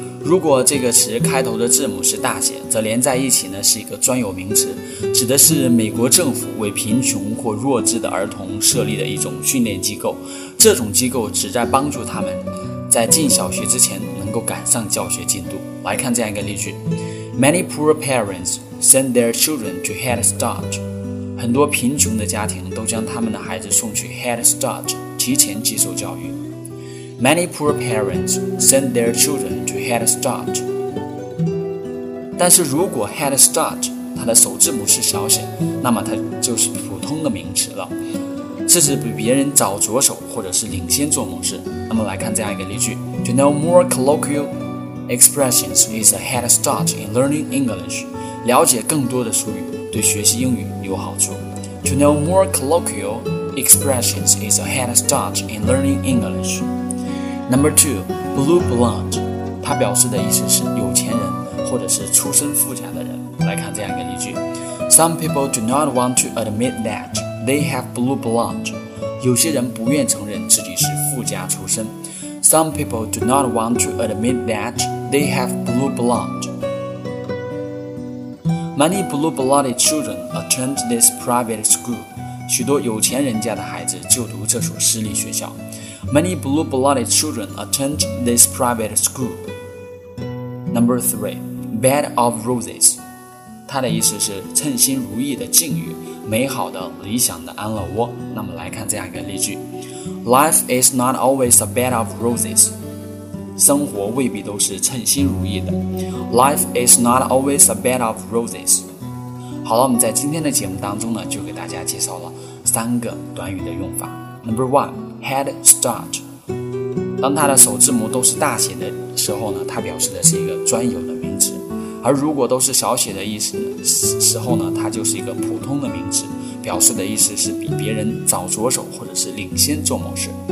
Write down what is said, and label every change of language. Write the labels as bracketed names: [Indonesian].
[Chinese] 如果这个词开头的字母是大写，则连在一起呢是一个专有名词，指的是美国政府为贫穷或弱智的儿童设立的一种训练机构。这种机构旨在帮助他们在进小学之前能够赶上教学进度。来看这样一个例句 [English] Many poor parents send their children to Head Start。 [Chinese] 很多贫穷的家庭都将他们的孩子送去 Head Start 提前接受教育。 [English] Many poor parents send their children to Head Start。 [Chinese] 但是如果 Head Start 它的首字母是小写，那么它就是普通的名词了，是指比别人早着手或者是领先做某事。那么来看这样一个例句 [English] To know more colloquial expressions is a head start in learning English。 [Chinese] 了解更多的术语对学习英语有好处。 [English] To know more colloquial expressions is a head start in learning EnglishNumber two, blue blonde， [Chinese] 它表示的意思是有钱人或者是出身富家的人。来看这样一个例句 [English] ：Some people do not want to admit that they have blue blonde。 [Chinese] 有些人不愿承认自己是富家出身。 [English] Some people do not want to admit that they have blue blonde。 Many blue-blooded children attend this private school。 [Chinese] 许多有钱人家的孩子就读这所私立学校。 [English] Many blue-blooded children attend this private school. Number three, bed of roses. [Chinese] 它的意思是称心如意的境遇，美好的理想的安乐窝。那么来看这样一个例句 [English] Life is not always a bed of roses. [Chinese] 生活未必都是称心如意的。 [English] Life is not always a bed of roses. [Chinese] 好了，我们在今天的节目当中呢，就给大家介绍了三个短语的用法。 [English] Number one, [Chinese] Head Start， 当它的首字母都是大写的时候呢，它表示的是一个专有的名词，而如果都是小写的意思的时候呢，它就是一个普通的名词，表示的意思是比别人早着手或者是领先做某事。